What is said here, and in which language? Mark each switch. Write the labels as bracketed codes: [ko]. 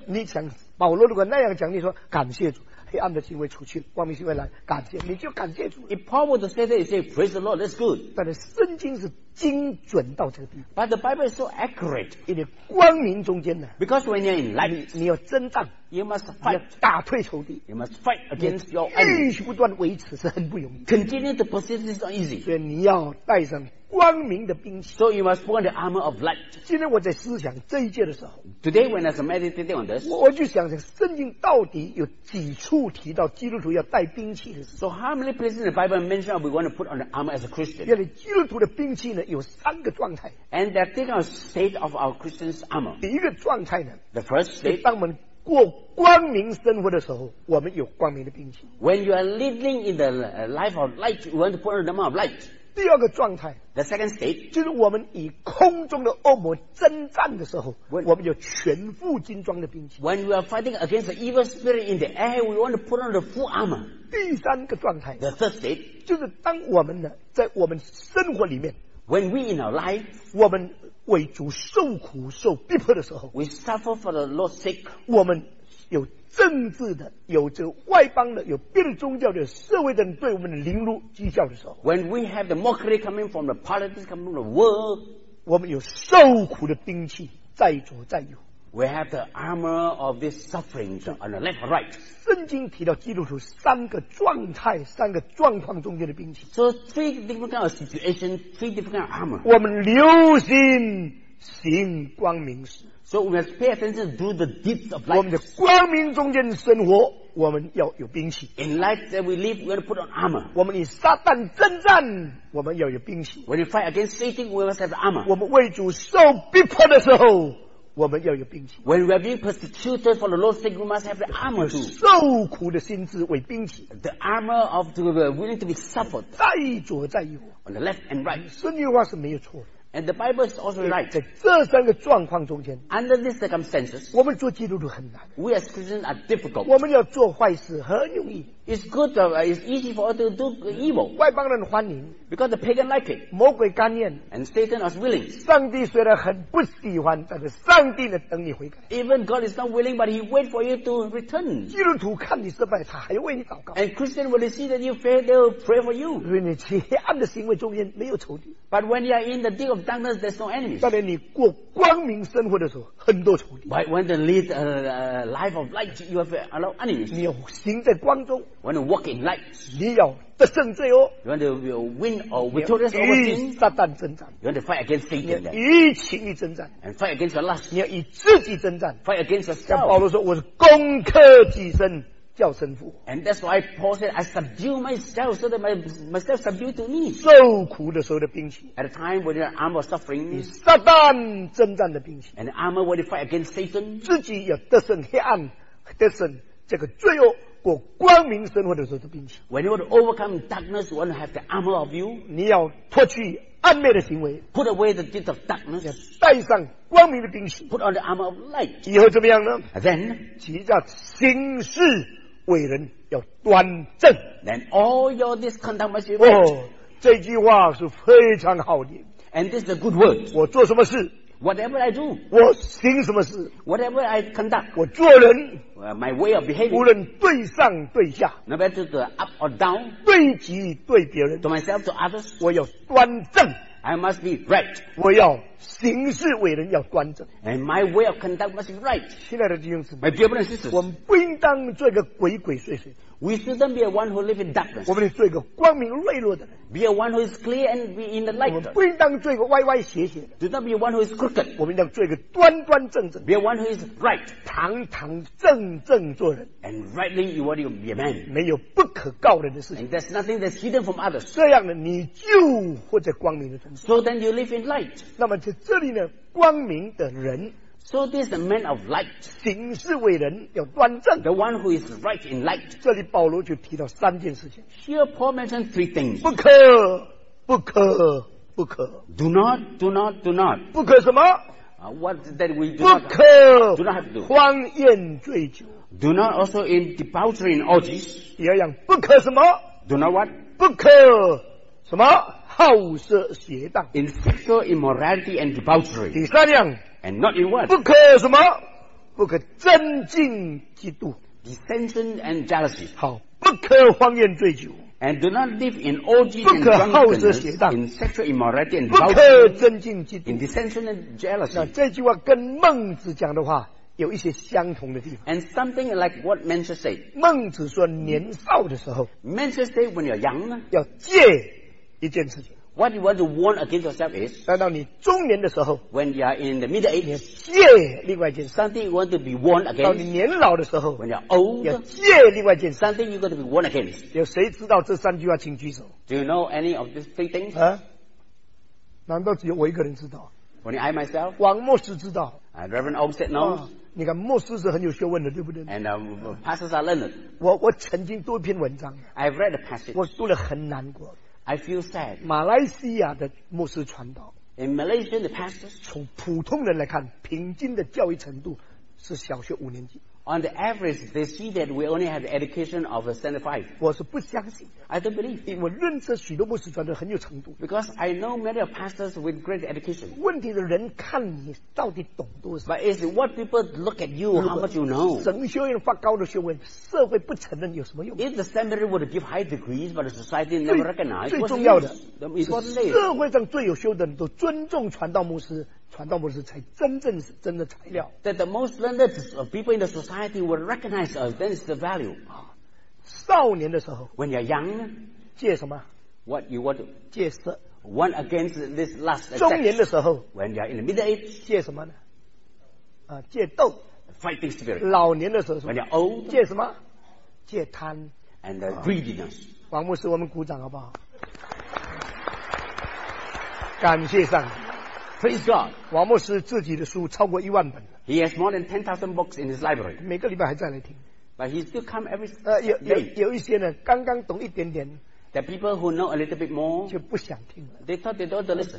[zh] 你想保罗如果那样讲，你说感谢主，黑暗的行为出去，光明行为来，感谢你就感谢主。 [en] If Paul were to say that, he say praise the Lord. That's good. [zh] 但是圣经是精准到这个地步。 [en] But the Bible is so accurate. [zh] 因为光明中间呢。 [en] Because when you're in light, [zh] 你要增长。 [en] You must fight. [zh] 打退仇敌。 [en] You must fight against your enemy. [zh] 继续不断维持是很不容易。 [en] Continue to persist is not easy. [zh] 所以你要带上光明的兵器。 [en] So you must put on the armor of light. [zh] 今天我在思想这一节的时候。 [en] Today when I was meditating on this, [zh] 我就想想圣经到底有几处提到基督徒要带兵器的事。 [en] So how many places in the Bible mention we want to put on the armor as a Christian? [zh] 原来基督徒的兵器呢有三个状态。 [en] And they think of state of our Christian's armor. [zh] 第一个状态呢。 [en] The first state. [zh] 当我们过光明生活的时候，我们有光明的兵器。 [en] When you are living in the life of light, you want to put on the armor of light. [zh] 第二个状态 [en] ，the second state， [zh] 就是我们以空中的恶魔征战的时候， [en] when, [zh] 我们有全副军装的兵器。 [en] When we are fighting against the evil spirit in the air, we want to put on the full armor. [zh] 第三个状态 [en] ，the third state， [zh] 就是当我们呢在我们生活里面 [en] ，when we in our life， [zh] 我们为主受苦受逼迫的时候 [en] ，we suffer for the Lord's sake， [zh] 我们有政治的，有这外邦的，有别的宗教的，社会的人对我们的凌辱讥笑的时候 [en] ，when we have the mockery coming from the politics coming from the world， [zh] 我们有受苦的兵器在左在右 [en] ，we have the armor of this suffering on the left or right。 [zh] 圣经提到基督徒三个状态、三个状况中间的兵器 [en] ，so three different kind of situation, three different kind of armor。 [zh] 我们留心行光明事。 [en] So we must pay attention to the deeds of light. [zh] 我们的光明中间生活，我们要有兵器。 [en] In light that we live, we have to put on armor. [zh] 我们与撒旦征战，我们要有兵器。 [en] When we fight against Satan, we must have armor. [zh] 我们为主受逼迫的时候，我们要有兵器。 [en] When we are being persecuted for the Lord's sake, we must have the armor too. [zh] 受苦的心智为兵器。 [en] The armor of the willing to be suffered. [zh] 在左在右。 [en] On the left and right. [zh] 圣经话是没有错的。 [en] And the Bible is also right. [zh] 在这三个状况中间 [en] ，under these circumstances， [zh] 我们做基督徒很难。 [en] We as Christians are difficult. [zh] 我们要做坏事很容易。 [en] It's good. It's easy for us to do evil. [zh] 外邦人欢迎 [en] ，because the pagan like it. [zh] 魔鬼甘愿 [en] ，and Satan is willing. [zh] 上帝虽然很不喜欢，但是上帝呢等你悔改。 [en] Even God is not willing, but He wait for you to return. [zh] 基督徒看你失败，他还要为你祷告。 [en] And Christian, when they see that you fail, they will pray for you. [zh] 所以你在黑暗的行为中间没有仇敌。 [en] But when you are in the deep of darkness, there's no enemies. [zh] 当你过光明生活的时候，很多仇敌。 [en] But when they lead a life of light, you have a lot of enemies. [zh] 你要行在光中。 [en] Want to walk in light? [zh] 你要得胜罪哦。 [en] You want to win or victorious over sin? [zh] 与撒旦征战。 [en] You want to fight against Satan? [zh] 与情欲征战。 [en] And fight against the lust. [zh] 你要与自己征战。 [en] Fight against yourself. [zh] 像保罗说，我是攻克己身，叫身负。 [en] And that's why Paul said, I subdue myself so that myself subdue to me. [zh] 受苦的时候的兵器。 [en] At a time when the armor suffering. [zh] 与撒旦征战的兵器。 [en] And the armor when you fight against Satan. [zh] 自己要得胜黑暗，得胜这个罪恶。过光明生活的时候的兵器。 [en] When you want to overcome darkness, you want to have the armor of you. [zh] 你要脱去暗昧的行为。 [en] Put away the deeds of darkness. [zh] 要带上光明的兵器。 [en] Put on the armor of light. [zh] 以后怎么样呢 [en] ？Then, [zh] 其叫行事为人要端正。 [en] Then all your misconduct must be right. [zh] 哦，这句话是非常好的。 [en] And this is a good word. [zh] 我做什么事？ [en] Whatever I do, [zh] 我行什么事 [en] ？Whatever I conduct, [zh] 我做人 [en] ，my way of behaving, [zh] 无论对上对下 [en] ，no matter the up or down, [zh] 对己对别人 [en] ，to myself to others, [zh] 我要端正 [en] I must be right. [zh] 我要行事为人要端正。 [en] And my way of conduct must be right. [zh] 亲爱的弟兄姊妹 [en] my dear brothers and sisters, [zh] 我们不应当做一个鬼鬼祟祟。 [en] We shouldn't be a one who lives in darkness. [zh] 我们做一个光明磊落的人。 [en] Be a one who is clear and be in the light. [zh] 我们不应当做一个歪歪斜斜的。 [en] Do not be one who is crooked. [zh] 我们应当做一个端端正正。 [en] Be a one who is right. [zh] 堂堂正正做人。 [en] And rightly you want to be a man. [zh] 没有不可告人的事情。 [en] And there's nothing that's hidden from others. [zh] 这样的你就活在光明的中。 [en] So then you live in light. [zh] 那么在这里呢，光明的人。 [en] So this is the man of light. [zh] 行事为人要端正。 [en] The one who is right in light. [zh] 这里保罗就提到三件事情。 [en] Here Paul mentioned three things. [zh] 不可，不可，不可。 [en] Do not, do not, do not. [zh] 不可什么？ [en] What that we do [zh] 不可 [en] not, do not have to do. [zh] 荒宴醉酒。 [en] Do not also in debauchery and orgies. [zh] 第二样，不可什么？ [en] Do not what? [zh] 不可什么？好色邪荡。 [en] In sexual immorality and debauchery. [zh] 第三样。 [en] And not in words. [zh] 不可什么？不可增进嫉妒。 [en] Dissension and jealousy. [zh] 好，不可荒宴醉酒。 [en] And do not live in orgies and drunkenness. In sexual immorality and debauchery. [zh] 不可增进嫉妒。 [en] In dissension and jealousy. [zh] 那这句话跟孟子讲的话有一些相同的地方。 [en] And something like what Mencius said. [zh] 孟子说年少的时候。 [en] Mencius said when you're young. [zh] 要戒一件事情。 [en] What you want to warn against yourself is, [zh] 当到你中年的时候 [en] when you are in the middle age, [zh] 要戒另外一件 [en] something you want to be warned against, [zh] 到你年老的时候 [en] when you are old, [zh] 要戒另外一件 [en] something you want to be warned against. [zh] 有谁知道这三句话请举手 [en] Do you know any of these three things? 啊？ [zh] 难道只有我一个人知道 [en] Only I myself? [zh] 王牧师知道 [en] Reverend Og said no. [zh] 你看牧师是很有学问的对不对 [en] And pastors are learned. [zh] 我曾经读一篇文章 [en] I've read a passage. [zh] 我读了很难过 [en] I feel sad. [zh] 马来西亚的牧师传道 [en] In Malaysia, the pastors, [zh] 从普通人来看，平均的教育程度是小学五年级。 [en] On the average, they see that we only have the education of a standard five. [zh] 我是不相信。 [en] I don't believe. [zh] 因为我认识许多牧师传道很有程度。 [en] Because I know many of pastors with great education. [zh] 问题是人看你到底懂多少。 [en] But is what people look at you how much you know? [zh] 神学院发高的学问，社会不承认有什么用 [en] ？If the seminary would give high degrees, but the society never recognize. [zh] 最重要的 [en] the important thing. [zh] 社会上最有修的人都尊重传道牧师。传道牧师才真正是真的材料。 [en] That the most learned people in the society will recognize us, then is the value. [zh] 少年的时候 [en] ，when you're young, [zh] 戒什么 [en] ？What you want to [zh] 戒色 [en] ，one against this lust. [zh] 中年的时候 [en] ，when you're in the middle age, [zh] 戒什么呢？啊，戒斗 [en] ，fighting spirit. [zh] 老年的时候 [en] ，when you're old, [zh] 戒什么？戒贪 [en] and the greediness. [zh] 王牧师，我们鼓掌好不好？感谢上帝。 [en] Praise God. [zh] 王牧师自己的书超过一万本。 [en] He has more than 10,000 books in his library. [zh] 每个礼拜还在来听。 [en] But he still come every day. [zh] 有一些呢，刚刚懂一点点。 [en] The people who know a little bit more [zh] 就不想听了。 [en] They thought they don't listen.